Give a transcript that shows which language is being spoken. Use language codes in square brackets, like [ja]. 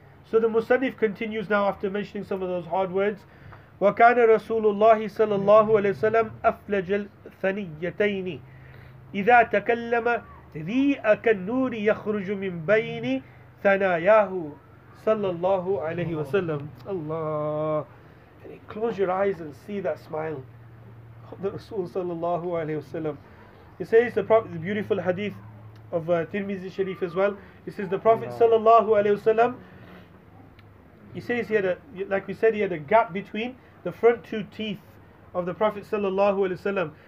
[en] So the Musannif continues now after mentioning some of those hard words. [ar] وكان رسول الله صلى الله عليه وسلم أفلج الثنيتين إذا تكلم ذِيَ كَالنُّورِ يَخْرُجُ مِنْ بَيْنِ ثَنَايَاهُ صَلَّى اللَّهُ عَلَيْهِ وَسَلَّمْ. Allah. [en] And he closed your eyes and see that smile of the Rasul sallallahu alayhi wasallam. He says the beautiful hadith of Tirmizi Sharif as well. He says the Prophet sallallahu alayhi wasallam, he says he had a gap between the front two teeth of the Prophet sallallahu alayhi wasallam.